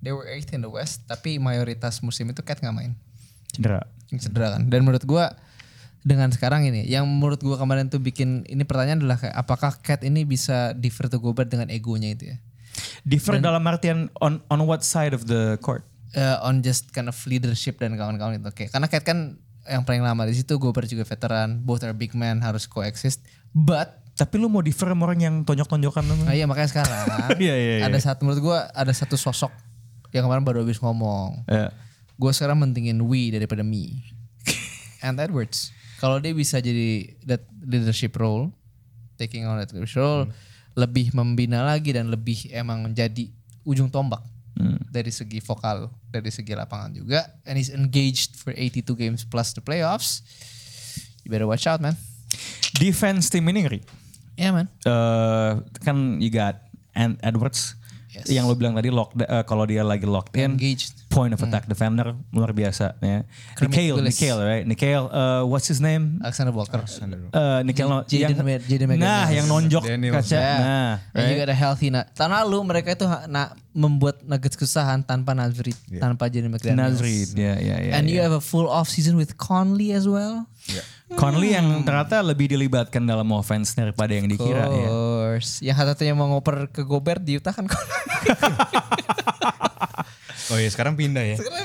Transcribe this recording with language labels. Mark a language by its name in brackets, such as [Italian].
[English] They were 8th in the West, [Indonesian] tapi mayoritas musim itu Cat gak main. Cedera kan. Dan menurut gue dengan sekarang ini, yang menurut gue kemarin tuh bikin ini pertanyaan adalah kayak, apakah Cat ini bisa defer to Gobert dengan egonya itu ya? [English] Differ dan, dalam artian on what side of the court? On just kind of leadership [Indonesian] dan kawan-kawan itu. [English] Okay. Karena Cat kan yang paling lama di situ, Gobert juga veteran, both are big man, harus coexist. But [Indonesian] tapi lu mau differ sama orang yang tonjok-tonjokan? Iya, makanya sekarang ada satu menurut gue ada satu sosok yang kemarin baru habis ngomong. Yeah. Gue sekarang mendingin we daripada me. [English] And Edwards, kalau dia bisa jadi that leadership role, taking on that leadership role. [Indonesian] Lebih membina lagi dan lebih emang menjadi ujung tombak dari segi vokal, dari segi lapangan juga. [English] And he's engaged for 82 games plus the playoffs. You better watch out, man. [Indonesian] Defense team ini ngeri. [English] Yeah, man. Kan you got Ant Edwards, [Indonesian] yes. Yang lo bilang tadi kalau dia lagi locked in, [English] engaged. Point of attack defender luar biasa. Yeah. Nikhil, right? Nikhil, what's his name? Alexander Walker. [Indonesian] Jaden McGinnis. Nah, yang nonjok. Kaca. Yeah. Nah, [English] right? And you got a healthy nut. [Indonesian] Tahun lalu mereka itu membuat Nuggets kesusahan tanpa Nazri, yeah. Tanpa Jaden McGinnis. Nazri, yeah. [English] And you have a full off season with Conley as well. [Indonesian] Yeah. Conley yang ternyata lebih dilibatkan dalam offense daripada yang dikira. [English] Of course. [Indonesian] Ya. Yang satunya mau ngoper ke Gobert di Utah kan. Oh iya sekarang pindah ya.